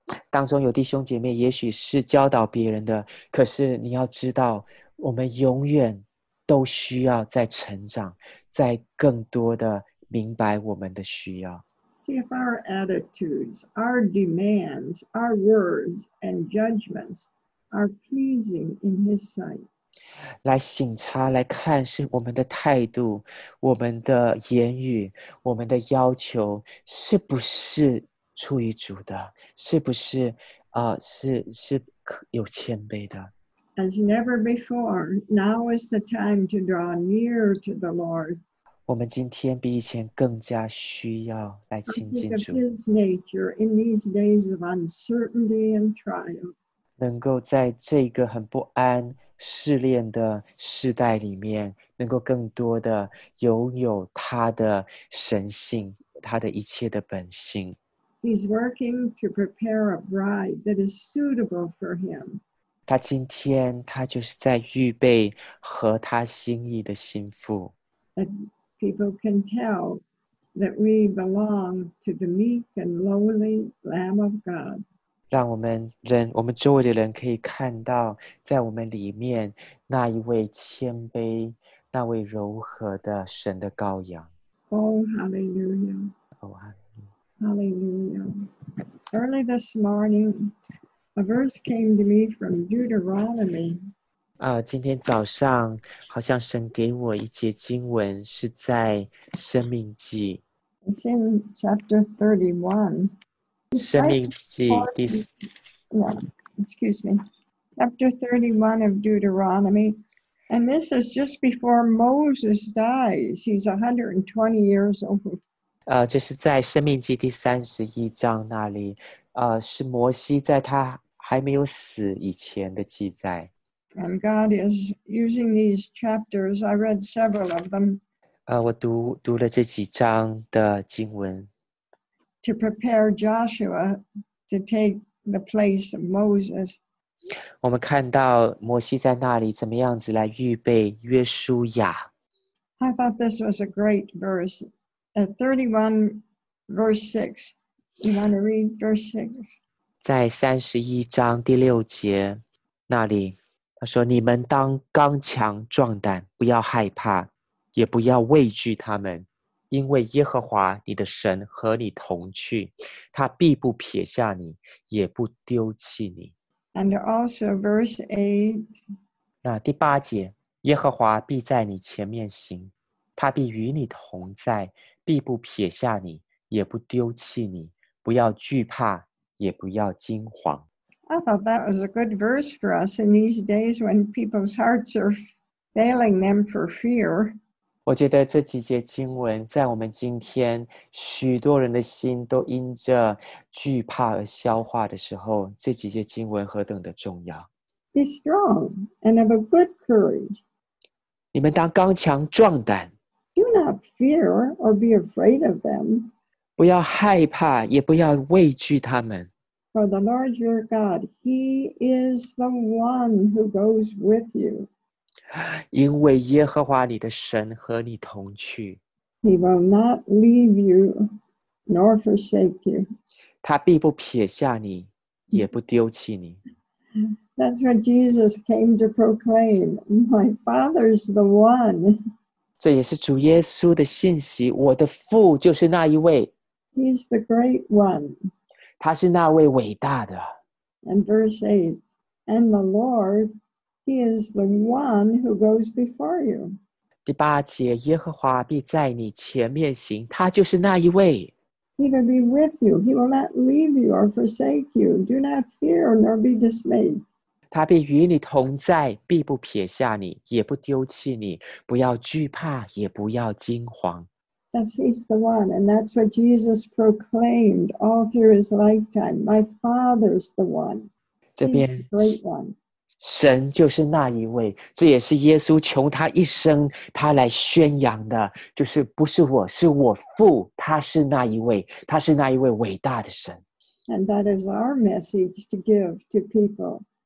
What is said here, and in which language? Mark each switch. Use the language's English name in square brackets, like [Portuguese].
[Chinese] 当中有弟兄姐妹也许是教导别人的，可是你要知道，我们永远都需要在成长，在更多的明白我们的需要。 [English] See if our attitudes, our demands, our words and judgments are pleasing in his sight. [Chinese] 来省察，来看是我们的态度、我们的言语、我们的要求是不是出于主的，是不是是有谦卑的。 [English] As never before, now is the time to draw near to the Lord. [Chinese] 我们今天比以前更加需要来亲近主。 [English] Think of His nature in these days of uncertainty and trial. [Chinese] 能够在这个很不安。试炼的时代里面，能够更多的拥有他的神性，他的一切的本性。 [English] He's working to prepare a bride that is suitable for him. [Chinese] 他今天他就是在预备合他心意的心腹。 [English] That people can tell that we belong to the meek and lowly Lamb of God. [Chinese] 让我们人，我们周围的人可以看到，在我们里面那一位谦卑、那位柔和的神的羔羊。 [English] Oh, hallelujah! Oh, hallelujah! Early this morning, a verse came to me from Deuteronomy. [Chinese] 今天早上好像神给我一节经文，是在《生命记》。 [English] It's in chapter 31. [Chinese] 生命记第 [English] ，excuse me, chapter 31 of Deuteronomy, and this is just before Moses dies. He's 120 years old. [Chinese] 这是在生命记第三十一章那里，是摩西在他还没有死以前的记载。 [English] And God is using these chapters. I read several of them. [Chinese] 我读了这几章的经文。 [English] To prepare Joshua to take the place of Moses. [Chinese] 我们看到摩西在那里怎么样子来预备约书亚。 [English] I thought this was a great verse. 31 verse 6. You want to read verse 6? [Chinese] 在31章第6节那里，他说，你们当刚强壮胆，不要害怕，也不要畏惧他们。因为耶和华你的神和你同去，他必不撇下你，也不丢弃你。 [English] And also verse 8. [Chinese] 那第八节，耶和华必在你前面行，他必与你同在，必不撇下你，也不丢弃你，不要惧怕，也不要惊慌。 [English] I thought that was a good verse for us in these days when people's hearts are failing them for fear. [Chinese] 我觉得这几节经文在我们今天许多人的心都因着惧怕而消化的时候，这几节经文何等的重要。 [English] Be strong and of a good courage. [Chinese] 你们当刚强壮胆。 [English] Do not fear or be afraid of them. [Chinese] 不要害怕，也不要畏惧他们。 [English] For the Lord your God, He is the one who goes with you. [Chinese] 因为耶和华你的神和你同去。 [English] He will not leave you nor forsake you. [Chinese] 他必不撇下你，也不丢弃你。 [English] That's what Jesus came to proclaim. My Father is the one. [Chinese] 这也是主耶稣的信息，我的父就是那一位。 [English] He's the great one. [Chinese] 他是那位伟大的。 [English] And verse 8, and the Lord, He is the one who goes before you. [Chinese] 第八节，耶和华必在你前面行，他就是那一位。 [English] He will be with you. He will not leave you or forsake you. Do not fear nor be dismayed. [Chinese] 他必与你同在，必不撇下你，也不丢弃你。不要惧怕，也不要惊慌。 [English] He's the one, and that's what Jesus proclaimed all through his lifetime. My Father's the one. He's the great one. [Chinese] 神就是那一位，这也是耶稣穷他一生他来宣扬的，就是不是我，是我父，他是那一位，他是那一位伟大的神。 [English] And that is our message to give to people.